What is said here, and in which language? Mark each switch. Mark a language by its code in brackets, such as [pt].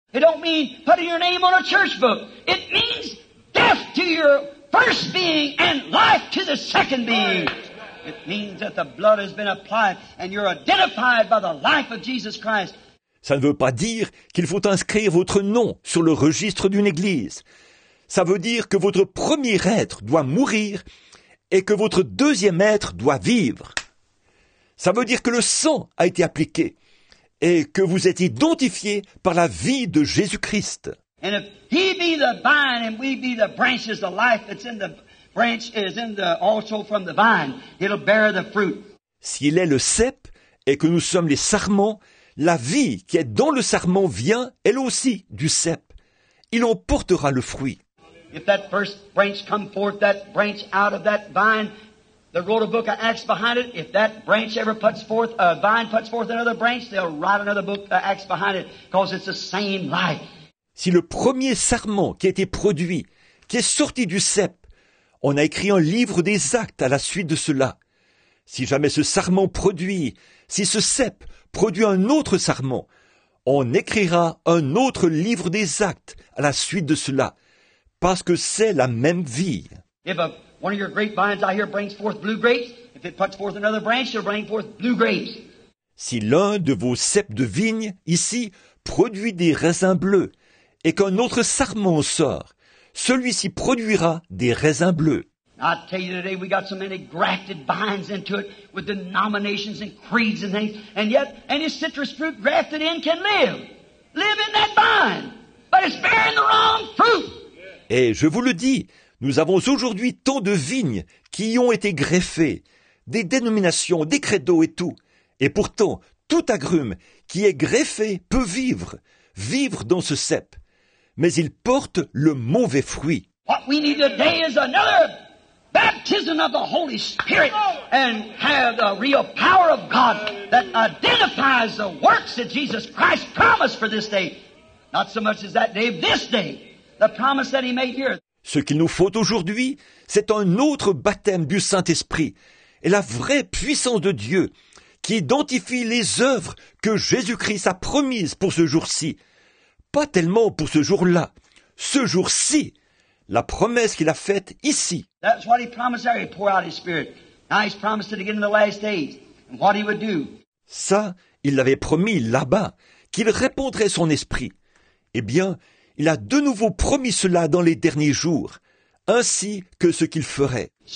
[en] It don't mean putting your name on a church book. It means death to your first being and life to the second being. It means that the blood has been applied and you're identified by the life of Jesus Christ. [fr] Ça ne veut pas dire qu'il faut inscrire votre nom sur le registre d'une église. Ça veut dire que votre premier être doit mourir et que votre deuxième être doit vivre. Ça veut dire que le sang a été appliqué et que vous êtes identifié par la vie de Jésus-Christ. [en] And if he be the vine and we be the branches, the life that's in the branch is in the also from the vine, it'll bear the fruit. [fr] S'il est le cep et que nous sommes les sarments, la vie qui est dans le sarment vient elle aussi du cep. Il en portera le fruit. [en] If that first branch come forth, that branch out of that vine, the wrote a book of Acts behind it. If that branch ever puts forth, a vine puts forth another branch, they'll write another book of Acts behind it, because it's the same life. [fr] Si le premier sarment qui a été produit, qui est sorti du cep, on a écrit un livre des actes à la suite de cela. Si jamais ce sarment produit, si ce cep produit un autre sarment, on écrira un autre livre des actes à la suite de cela. Parce que c'est la même vie. [en] If a, one of your grapevines I hear brings forth blue grapes, if it puts forth another branch, it'll bring forth blue grapes. [fr] Si l'un de vos ceps de vigne, ici, produit des raisins bleus, et qu'un autre sarment sort, celui-ci produira des raisins bleus. [en] I'll tell you today, we got so many grafted vines into it, with denominations and creeds and things, and yet any citrus fruit grafted in can live. Live in that vine, but it's bearing the wrong fruit. [fr] Et je vous le dis, nous avons aujourd'hui tant de vignes qui y ont été greffées, des dénominations, des credos et tout. Et pourtant, tout agrume qui est greffé peut vivre, vivre dans ce cep. Mais il porte le mauvais fruit. [en] What we need today is another baptism of the Holy Spirit and have the real power of God that identifies the works that Jesus Christ promised for this day. Not so much as that day, this day. The promise that he made here. [fr] Ce qu'il nous faut aujourd'hui, c'est un autre baptême du Saint-Esprit et la vraie puissance de Dieu qui identifie les œuvres que Jésus-Christ a promises pour ce jour-ci. Pas tellement pour ce jour-là, ce jour-ci, la promesse qu'il a faite ici. [en] That's what he promised there, he poured out his spirit. Now he's promised it again in the last days. And what he would do. [fr] Ça, il l'avait promis là-bas, qu'il répondrait son esprit. Eh bien, il a de nouveau promis cela dans les derniers jours, ainsi que ce qu'il ferait.